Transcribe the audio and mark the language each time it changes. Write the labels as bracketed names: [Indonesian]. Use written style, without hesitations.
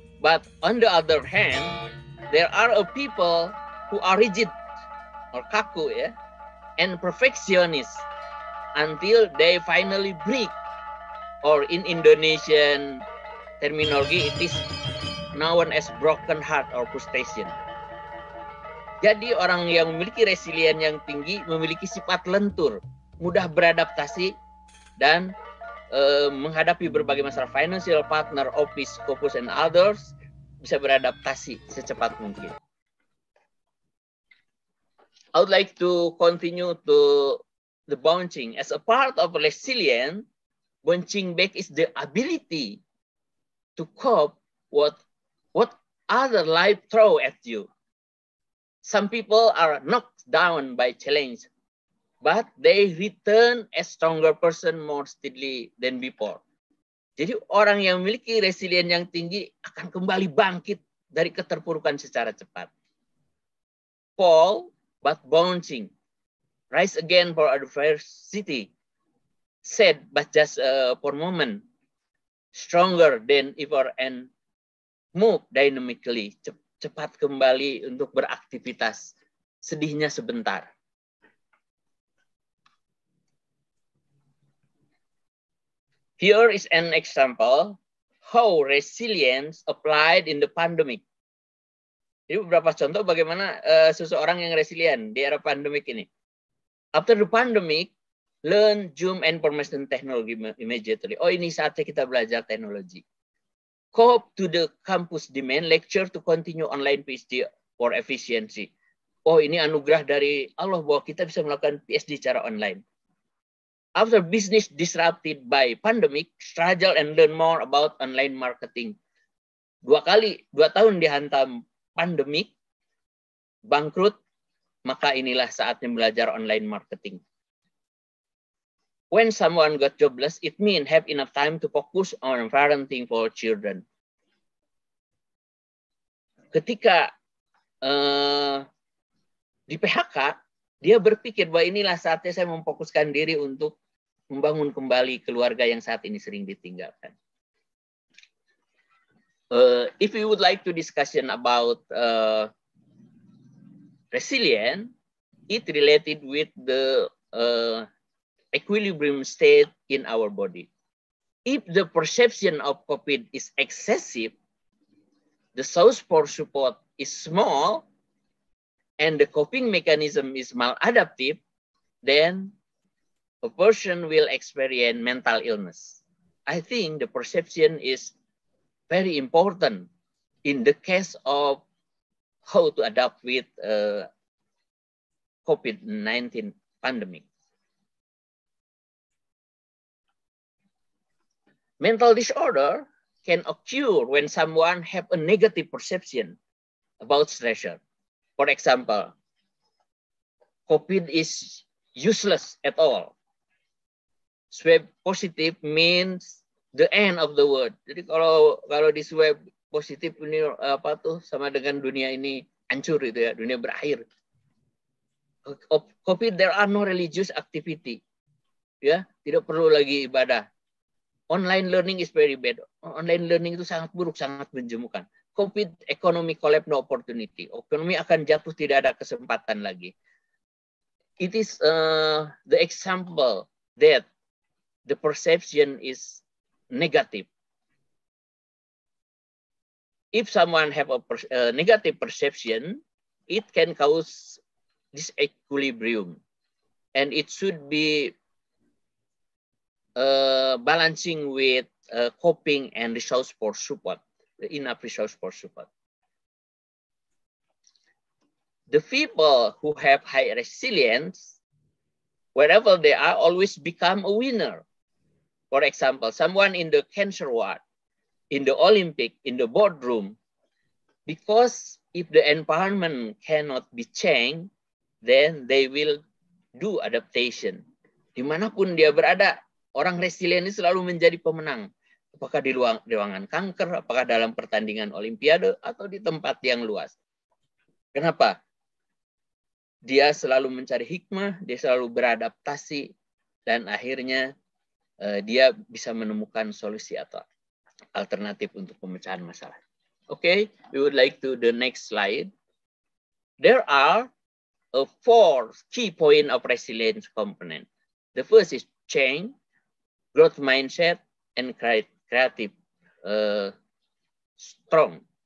[English] But on the other hand, there are a people who are rigid or kaku, yeah, and perfectionist until they finally break, or in Indonesian terminology, it is known as broken heart or frustration. [Indonesian] Jadi orang yang memiliki resilience yang tinggi memiliki sifat lentur, mudah beradaptasi, dan menghadapi berbagai masalah. [English] Financial partner, office, focus, and others [Indonesian] bisa beradaptasi secepat mungkin. [English] I would like to continue to the bouncing. As a part of resilience, bouncing back is the ability to cope what other life throw at you. Some people are knocked down by challenge, but they return a stronger person more steadily than before. [Indonesian] Jadi orang yang memiliki resilience yang tinggi akan kembali bangkit dari keterpurukan secara cepat. [English] Fall, but bouncing. Rise again for adversity. Sad, but just for a moment. Stronger than ever and move dynamically. [Indonesian] Cepat kembali untuk beraktivitas. Sedihnya sebentar. [English] Here is an example how resilience applied in the pandemic. [Indonesian] Jadi beberapa contoh bagaimana seseorang yang resilient di era pandemic ini. [English] After the pandemic, learn Zoom and information technology immediately. [Indonesian] Oh, ini saatnya kita belajar teknologi. [English] Cope to the campus demand, lecture to continue online PhD for efficiency. [Indonesian] Oh, ini anugerah dari Allah bahwa kita bisa melakukan PhD secara online. [English] After business disrupted by pandemic, struggle and learn more about online marketing. [Indonesian] Dua tahun dihantam pandemik, bangkrut, maka inilah saatnya belajar online marketing. [English] When someone got jobless, it mean have enough time to focus on parenting for children. [Indonesian] Ketika di PHK, dia berpikir bahwa inilah saatnya saya memfokuskan diri untuk membangun kembali keluarga yang saat ini sering ditinggalkan. [English] If you would like to discussion about resilience, it related with the equilibrium state in our body. If the perception of COVID is excessive, the source for support is small, and the coping mechanism is maladaptive, then a person will experience mental illness. I think the perception is very important in the case of how to adapt with COVID-19 pandemic. Mental disorder can occur when someone have a negative perception about stressor. For example, COVID is useless at all. Swab positive means the end of the world. [Indonesian] Jadi kalau di swab positif ini apa tuh sama dengan dunia ini hancur itu ya, dunia berakhir. [English] COVID, there are no religious activity. [Indonesian] Ya, tidak perlu lagi ibadah. [English] Online learning is very bad. Online learning [Indonesian] itu sangat buruk, sangat menjemukan. [English] COVID economy collapse, no opportunity. [Indonesian] Ekonomi akan jatuh, tidak ada kesempatan lagi. [English] It is the example that the perception is negative. If someone have a negative perception, it can cause disequilibrium, and it should be balancing with coping and resource for support, enough resource for support. The people who have high resilience, wherever they are, always become a winner. For example, someone in the cancer ward, in the Olympic, in the boardroom, because if the environment cannot be changed, then they will do adaptation. [Indonesian] Dimanapun dia berada, orang resilient ini selalu menjadi pemenang. Apakah di ruangan kanker, apakah dalam pertandingan olimpiade, atau di tempat yang luas. Kenapa? Dia selalu mencari hikmah, dia selalu beradaptasi, dan akhirnya dia bisa menemukan solusi atau alternatif untuk pemecahan masalah. [English] Okay, we would like to the next slide. There are four key point of resilience component. The first is change, growth mindset, and creative strong.